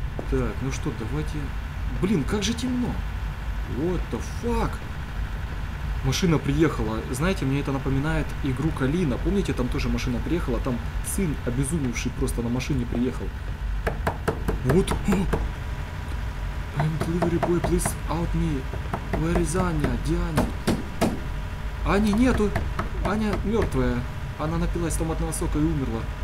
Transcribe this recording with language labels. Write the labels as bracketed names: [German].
[Russian] Так, ну что, давайте... Блин, как же темно. [English] What the fuck? [Russian] Машина приехала. Знаете, мне это напоминает игру Калина. Помните, там тоже машина приехала? Там сын, обезумевший, просто на машине приехал. Вот. [English] I'm delivery boy, please out me. Where is Аня? [Russian] Где Аня? Ани нету. Аня мертвая. Она напилась томатного сока и умерла.